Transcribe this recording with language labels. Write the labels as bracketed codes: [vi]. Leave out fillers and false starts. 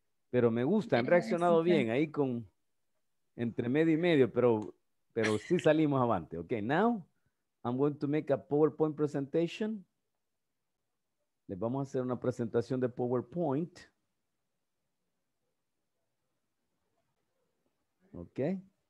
[es] Pero me gusta, han reaccionado bien ahí con entre medio y medio, pero sí salimos avante. [en] Okay, now I'm going to make a PowerPoint presentation. [es] Les vamos a hacer una presentación de PowerPoint. Okay.